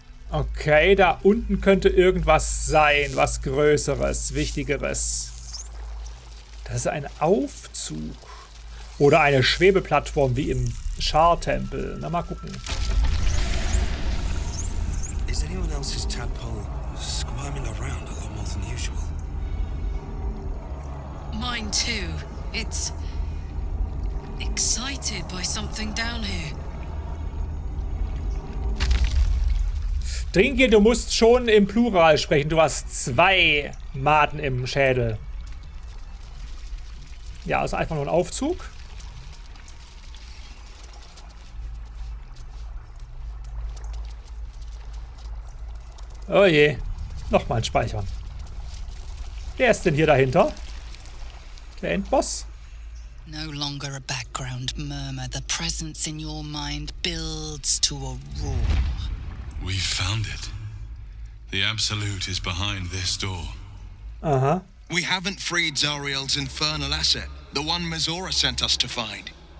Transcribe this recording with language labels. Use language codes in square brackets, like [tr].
[de] Okay, da unten könnte irgendwas sein. Was Größeres, Wichtigeres. Das ist ein Aufzug. Oder eine Schwebeplattform wie im Char-Tempel. Na, mal gucken. [en] Is anyone else's tadpole squirming around a lot more than usual? Mine too. It's excited by something down here. [de] Dringel, du musst schon im Plural sprechen. Du hast zwei Maden im Schädel. Ja, ist einfach nur ein Aufzug. Oh je. Nochmal speichern. Wer ist denn hier dahinter? Der Endboss? [en] No longer a background murmur. The presence in your mind builds to a roar. We found it. The Absolute is behind this door. Uh-huh. We haven't freed Zariel's infernal asset, the one Mizora sent us to find.